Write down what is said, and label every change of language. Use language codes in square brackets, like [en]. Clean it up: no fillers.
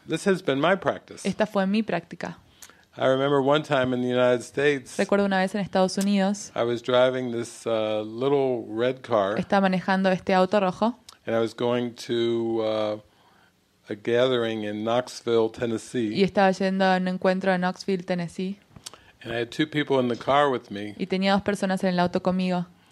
[en] this has been my practice. [es] Esta fue mi práctica. [en] I remember one time in the United States. [es] Recuerdo una vez en Estados Unidos. [en] I was driving this little red car. [es] Estaba manejando este auto rojo. [en] And I was going to a gathering in Knoxville, Tennessee. [es] Y estaba yendo a un encuentro en Knoxville, Tennessee. [en] And I had two people in the car with me. [es] Y tenía dos personas en el auto conmigo.